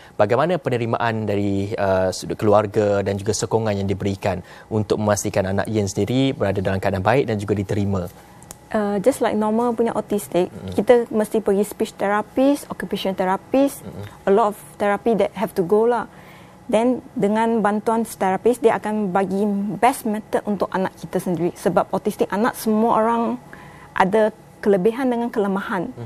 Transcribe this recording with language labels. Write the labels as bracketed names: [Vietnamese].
[Malay] Bagaimana penerimaan dari sudut keluarga dan juga sokongan yang diberikan untuk memastikan anak Yin sendiri berada dalam keadaan baik dan juga diterima? [English] Just like normal punya autistic, [Malay] kita mesti pergi [English] speech therapist, occupational therapist, a lot of therapy that have to go lah. [Malay] Then dengan bantuan terapis, dia akan bagi [English] best method [Malay] untuk anak kita sendiri. Sebab autistik anak, semua orang ada kelebihan dengan kelemahan.